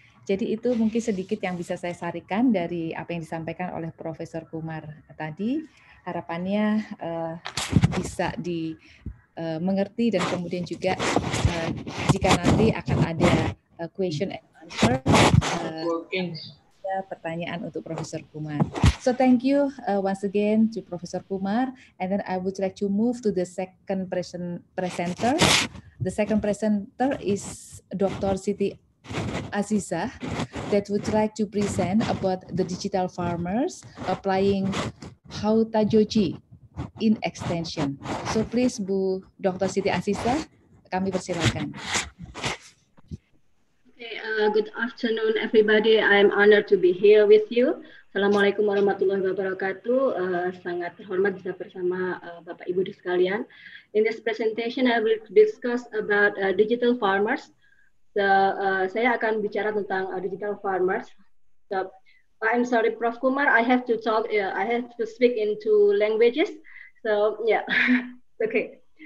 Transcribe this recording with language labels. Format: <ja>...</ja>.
<id>Jadi itu mungkin sedikit yang bisa saya sarikan dari apa yang disampaikan oleh Profesor Kumar tadi. Harapannya bisa dimengerti dan kemudian juga jika nanti akan ada</id> <en>question and answer,</en> <id>pertanyaan untuk Profesor Kumar.</id> <en>So thank you once again to Profesor Kumar, and then I would like to move to the second presenter. The second presenter is Dr. Siti Azizah that would like to present about the digital farmers applying Hautajoji in extension. So please</en> <id>Bu Dr. Siti Azizah, kami persilakan.</id> <en>Good afternoon, everybody. I'm honored to be here with you.</en> <ar>Assalamualaikum warahmatullahi wabarakatuh.</ar> <id>Sangat terhormat bisa bersama Bapak Ibu sekalian.</id> <en>In this presentation, I will discuss about digital farmers.</en> <id>Saya akan bicara tentang digital farmers.</id> <en>So, I'm sorry, Prof. Kumar. I have to speak in two languages. So, yeah. Okay.</en>